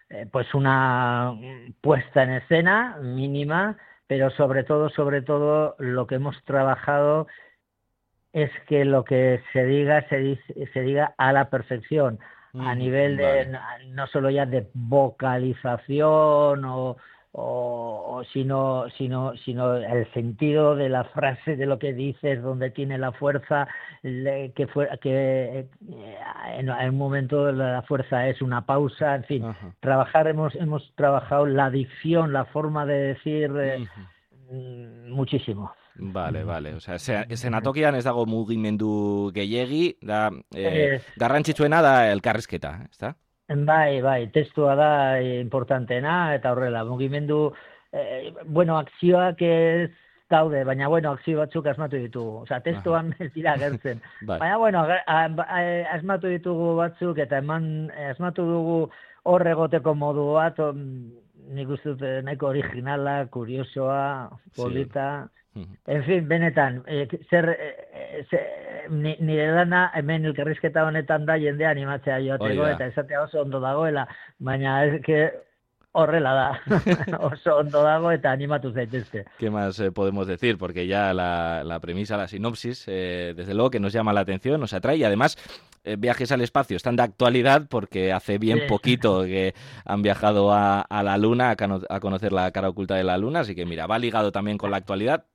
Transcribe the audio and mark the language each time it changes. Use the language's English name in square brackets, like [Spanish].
[Spanish] pues una puesta en escena mínima, pero sobre todo lo que hemos trabajado es que lo que se diga a la perfección, a nivel de no solo ya de vocalización sino el sentido de la frase, de lo que dices, donde tiene la fuerza, que en un momento la fuerza es una pausa, en fin. Ajá. hemos trabajado la dicción, la forma de decir muchísimo. Vale. [Basque] O sea, senatokian ez dago mugimendu gehiegi, da garrantzitsuena da elkarrizketa, ezta? Bai, testua da importanteena, eta horrela, mugimendu, akzioak ez daude, baina bueno, akzio batzuk asmatu ditugu, osea, testuan ez dira agertzen, baina bueno, asmatu ditugu batzuk, eta eman, asmatu dugu hor egoteko modu bat, nik uste dut nahiko originala, kuriosoa, polita, [Spanish] en fin, [Basque] benetan, nire lana hemen elkarrizketa honetan da jendea animatzea joateko eta esatea oso ondo dagoela, baina [Spanish] es que [Basque] horrela da, oso ondo dago eta animatu zaitezte. [Spanish] ¿Qué más podemos decir? Porque ya la premisa, la sinopsis, desde luego que nos llama la atención, nos atrae y además viajes al espacio están de actualidad porque hace bien poquito que han viajado a la Luna a conocer la cara oculta de la Luna, así que mira, va ligado también con la actualidad.